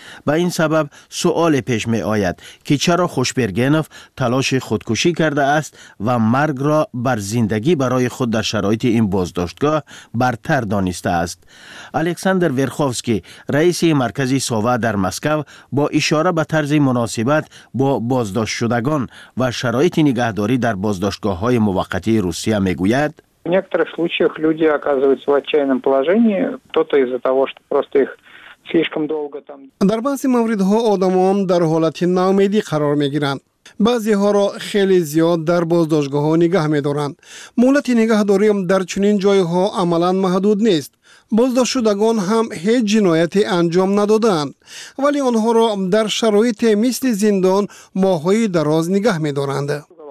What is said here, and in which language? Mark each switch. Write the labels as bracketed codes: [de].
[fa] به این سبب سؤال پیش می آید که چرا خوشبرگنف تلاش خودکشی کرده است و مرگ را بر زندگی برای خود در شرایط این بازداشتگاه برتر دانسته است. الکساندر ورخوفسکی رئیس مرکزی و در مسکو با اشاره به طرز مناسبت با بازداشت شدگان و شرایط نگهداری در بازداشتگاه های موقتی روسیه می گوید [ru] в некоторых случаях люди оказываются в отчаянном положении, кто-то из-за того, что просто их слишком долго там [fa] در بعضی مواردها آدمان در حالت ناامیدی قرار می گیرند. بعضی ها را خیلی زیاد در بازداشتگاه ها نگه می دارند. مهلت نگهداری هم در چنین جای ها عملا محدود نیست. بازداشت شدگان هم هیچ جنایتی انجام ندادند، ولی آنها را در شرایط مثل زندان ماهای دراز نگه می دارند.